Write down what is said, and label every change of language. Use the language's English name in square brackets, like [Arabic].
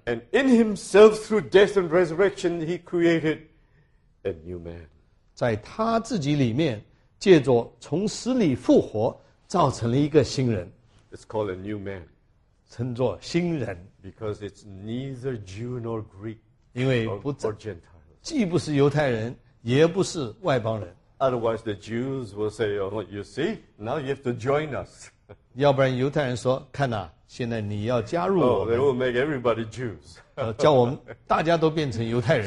[English] And in himself through death and resurrection, he created a new man. [Chinese] 在他自己里面,借着从死里复活,造成了一个新人。 [English] It's called a new man. [Chinese] 称作新人。 [English] Because it's neither Jew nor Greek. [Chinese] 因为不, [English] or Gentile. [Chinese] 既不是犹太人,也不是外邦人。 [English] Otherwise, the Jews will say, oh, you see, now you have to join us. [Chinese] 要不然犹太人说,看啊,现在你要加入我们。 [English] Oh, they will make everybody Jews. [Chinese] 叫我们大家都变成犹太人。